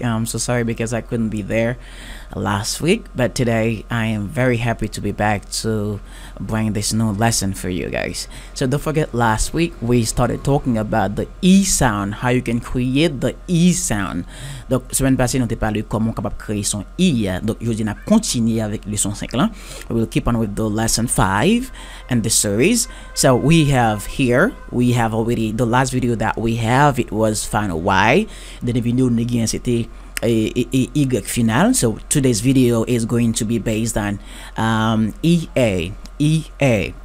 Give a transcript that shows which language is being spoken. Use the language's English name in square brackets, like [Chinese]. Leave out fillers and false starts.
[English] I'm so sorry because I couldn't be there last week, but today I am very happy to be back to bring this new lesson for you guys. So don't forget, last week we started talking about the E sound, how you can create the E sound. [French] Donc semaine passée, on t'a parlé comment capable créer son E. Donc aujourd'hui, on va continuer avec leçon 5 là. [English] We will keep on with the lesson 5 and the series. So we have here, we have already the last video that we have, it was final Y. Then if you know Nigerian City, Y final. So today's video is going to be based on EA.